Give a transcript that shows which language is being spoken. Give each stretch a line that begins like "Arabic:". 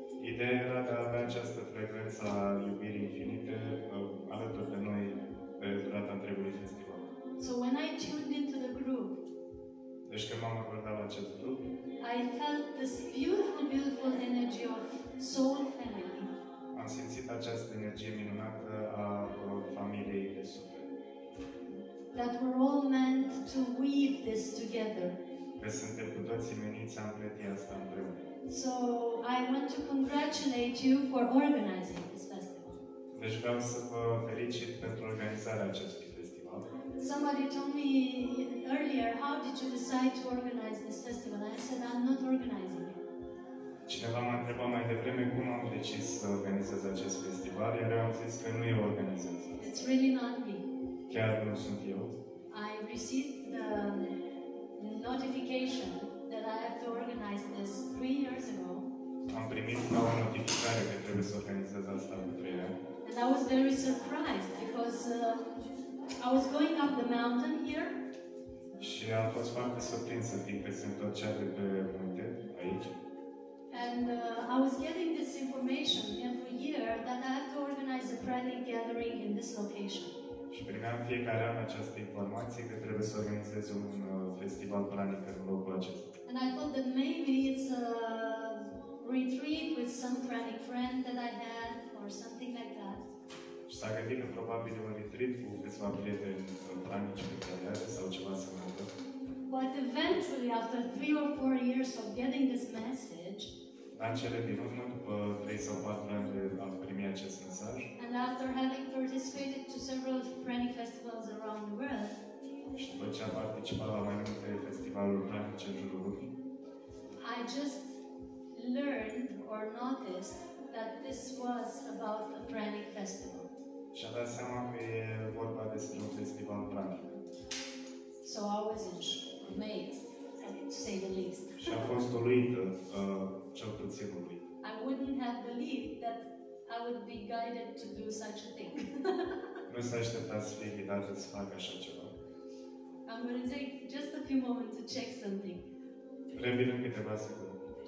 Romanian: Ideea era de a avea această frecvență a iubirii infinite alături de noi pe durata întregului festival.
English: So when I tuned into the group,
Romanian: deci când m-am acordat la acest grup,
English: I felt this beautiful, beautiful energy of soul family.
Romanian: Am simțit această energie minunată a familiei de suflet.
English: That we're all meant to weave this together.
Romanian: Că suntem cu toții meniți să împletim asta împreună.
English: So I want to congratulate you for organizing this festival.
Romanian: Deci vreau să vă felicit pentru organizarea acestui festival.
English: Somebody told me earlier, how did you decide to organize this festival? I said, I'm not organizing it.
Romanian: Cineva m-a întrebat mai devreme cum am decis să organizez acest festival, iar eu am zis că nu eu organizez.
English: It's really not me.
Romanian: Chiar nu sunt eu.
English: I received the notification that I have to organize this 3 years ago.
Romanian: Am primit ca o notificare că trebuie să organizez asta în 3 ani.
English: And I was very surprised because I was going up the mountain here.
Romanian: Și am fost foarte surprinsă fiindcă sunt tot cea de pe munte aici.
English: And I was getting this information every year that I have to organize a Pranic gathering in this location.
Romanian: Și primeam fiecare an această informație că trebuie să organizez un festival Pranic în locul acesta.
English: And I thought that maybe it's a retreat with some Pranic friend that I had or something like that.
Romanian: Și s-a gândit că probabil e un retreat cu câțiva prieteni pranici pe care are sau ceva asemănător.
English: But eventually, after 3 or 4 years of getting this message,
Romanian: în cele din urmă, după 3 sau 4 ani de a primi acest mesaj,
English: and after having participated to several Pranic festivals around the world,
Romanian: și după ce am participat la mai multe festivaluri pranice în jurul lumii,
English: I just learned or noticed that this was about a Pranic festival.
Romanian: Și am dat seama că e vorba despre un festival pranic.
English: So I was amazed, to say the least.
Romanian: Și a fost uluită, cel puțin uluit.
English: I wouldn't have believed that I would be guided to do such a thing.
Romanian: Nu s-a așteptat să fie ghidat să fac așa ceva.
English: I'm going to take just a few moments to check something.
Romanian: Revin în câteva secunde.